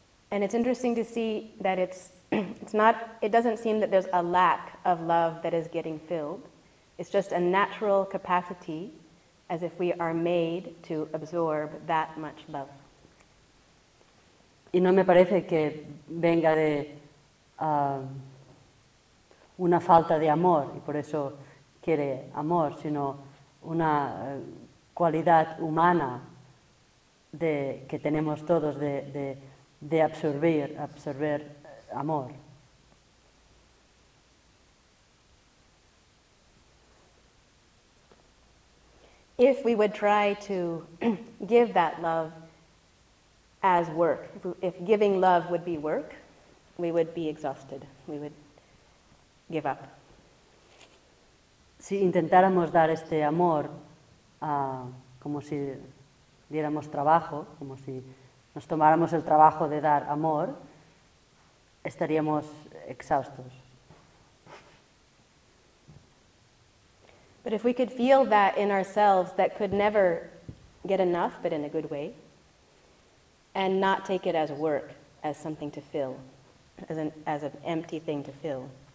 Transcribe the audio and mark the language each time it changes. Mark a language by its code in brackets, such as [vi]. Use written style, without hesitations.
[en] And it's interesting to see that it doesn't seem that there's a lack of love that is getting filled. It's just a natural capacity, as if we are made to absorb that much love. [es] Y no me parece que venga de una falta de amor y por eso quiere amor, sino una cualidad humana que tenemos todos de absorber amor. Y [en] If we would try to give that love as work, if giving love would be work, we would be exhausted. We would give up. [es] Si intentáramos dar este amor como si diéramos trabajo, como si nos tomáramos el trabajo de dar amor, estaríamos exhaustos. [en] But if we could feel that in ourselves, that could never get enough, but in a good way, and not take it as work, as something to fill, as an empty thing to fill.